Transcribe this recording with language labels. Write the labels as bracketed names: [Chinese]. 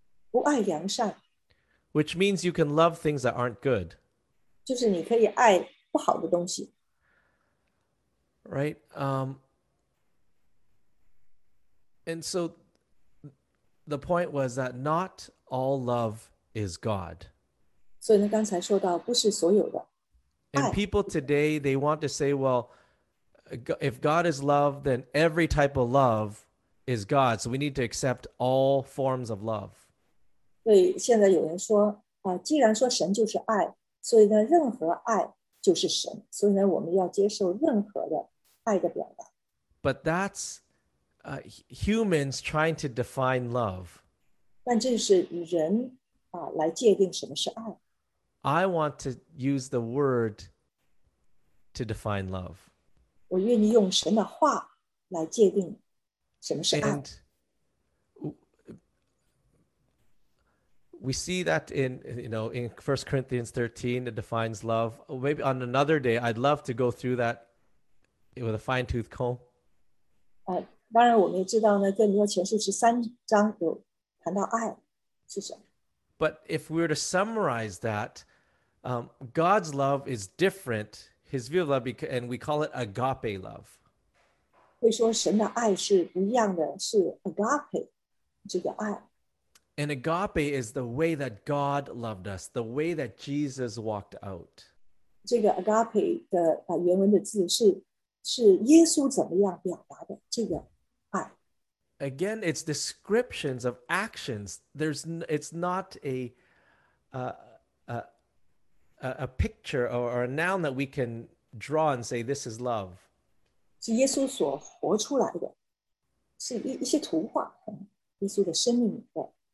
[Chinese] 不爱良善。 [English] Which means you can love things that aren't good. [Chinese] 就是你可以爱不好的东西。 [English] Right? And so the point was that not all love is God. [Chinese] 所以呢，刚才说到不是所有的。 [English] And people today, they want to say, well, if God is love, then every type of love is God. So we need to accept all forms of love. [Chinese] 对，现在有人说，既然说神就是爱，所以呢，任何爱就是神。所以呢，我们要接受任何的爱的表达。 [English] But that's humans trying to define love. [Chinese] 但这是人来界定什么是爱。 [English] I want to use the word to define love. [Chinese] 我愿意用神的话来界定什么是爱。 [English] And we see that in, you know, in 1 Corinthians 13, it defines love. Maybe on another day, I'd love to go through that with a fine-tooth comb. [Chinese] 当然我们知道呢，哥林多前书十三章有谈到爱是什么。 [English] But if we were to summarize that,God's love is different, his view of love, and we call it agape love. [Chinese] 会说神的爱是不一样的，是 agape, 这个爱。 [English] And agape is the way that God loved us, the way that Jesus walked out. 这个 agape 的 原文的字是耶稣怎么样表达的这个爱。 Again, it's descriptions of actions. It's not a picture or a noun that we can draw and say this is love. [Chinese] 是耶稣所活出来的，是一些图画，耶稣的生命的。